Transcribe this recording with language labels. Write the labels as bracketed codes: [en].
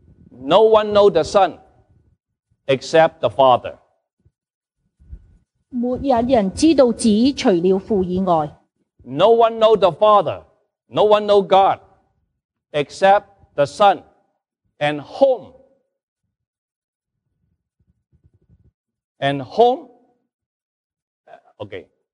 [en] No one know the Son except the Father. [zh] 没有人知道子除了父以外。 [en] No one know the Father. No one know God except the Son and whom Okay.